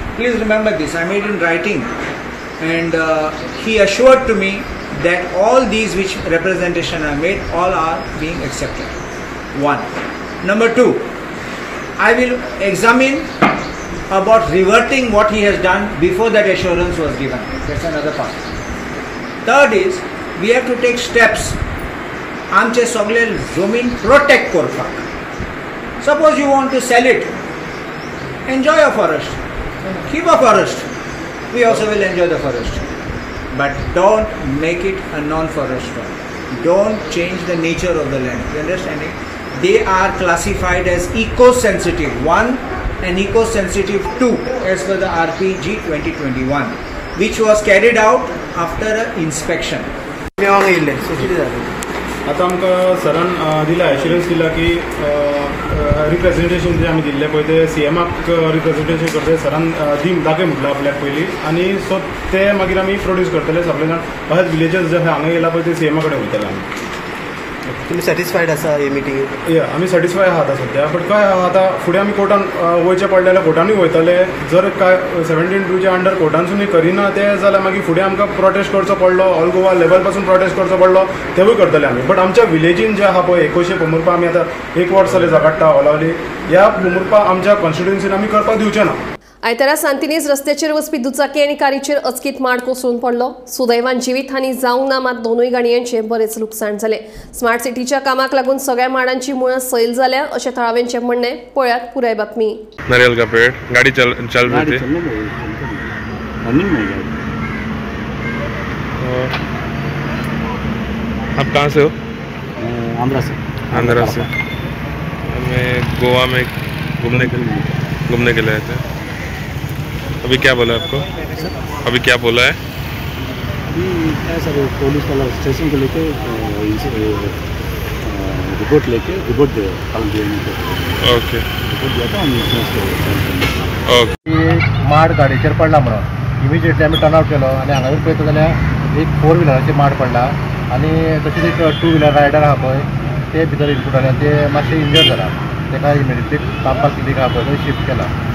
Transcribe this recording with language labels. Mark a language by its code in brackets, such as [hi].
[en] Please remember this, I made in writing. And he assured to me that all these which representation I made, all are being accepted. One. Number two, I will examine about reverting what he has done before that assurance was given. That's another part. Third is, we have to take steps. [kok] आमचे सगळे जमीन प्रोटेक्ट करपाक. [en] Suppose you want to sell it, enjoy a forest, keep a forest, we also will enjoy the forest, but don't make it a non forest one. Don't change the nature of the land. You understanding? They are classified as eco sensitive one and eco sensitive two as per the R P G 2021 which was carried out after a inspection. [kok] आता आमकां सरान दिला एश्युरंस दिला की रिप्रेजेंटेशन जे आम्ही दिले पळय ते सीएमाक रिप्रेजेंटेशन करतले. सरान दीम दाखय म्हटलं आपल्याक पयली आनी सो ते मागीर आमी प्रोड्यूस करतले. सगळे जाण अहेत विलेजर्स जे आसा हांगा गेला पळय ते सीएमा कडेन उरतले. आमी तुम्ही सॅटिस्फायड आसा हे मिटींग? या आमी सॅटिस्फाय आहात सध्या. बट काय आता फुडें आमी कोर्टान वयचे पडले जाल्यार कोर्टानूय वयतले. जर काय 17(2) अंडर कोर्टानसून करिना ते जाल्यार मागीर फुडें आमकां प्रोटेस्ट करचो पडलो, ऑल गोवा लेवल पासून प्रोटेस्ट करचो पडलो, तेवूय करतले आमी. बट आमच्या विलेजीन जे आहा पळय एकोशे पोंबुर्फा, आमी आता एक वर्स जालें झगडटा ओलावली, ह्या पोंबुर्फा आमच्या कॉन्स्टिट्युएंसीन आमी करपाक दिवचे ना. आयतारा सांतिनेज रस्त्याचेर वचपी दुचाकी आनी कारीचेर अचकीत माड कोसळून पडलो. सुदैवान जिवीत हानी जावंक ना, मात दोनूय गाडयांचे बरेच लुकसाण जाले. स्मार्ट सिटीच्या कामाक लागून सगळ्या माडांची मुळं सैल झाल्या अशें थळाव्यांचे म्हणणे. पळयात पुराय बातमी. [hi] नारियल का पेड, गाडी चल घूमने के लिए आए थे. अभी क्या बोला आपको? अभी क्या बोला है? अभी क्या सर, पुलिस वाला स्टेशन को लेके रिपोर्ट लेके रिपोर्ट दे काम देंगे. ओके, रिपोर्ट दिया था हम इसको. ओके, [kok] माड गाड़ी चर पड़ला म्हणून इमिजिएटली आम्ही टर्न आउट केलो. आणि हांगा जर पळयता जाल्यार एक फोर व्हिलराचे माड पडला आणि तशेंच एक टू व्हिलर रायडर आहा पळय ते भितर इनपुट आले. ते मातशे इंजर जाला, तेका इमिडिएटली पापा क्लिनीक आहा पळय थंय शिफ्ट केला.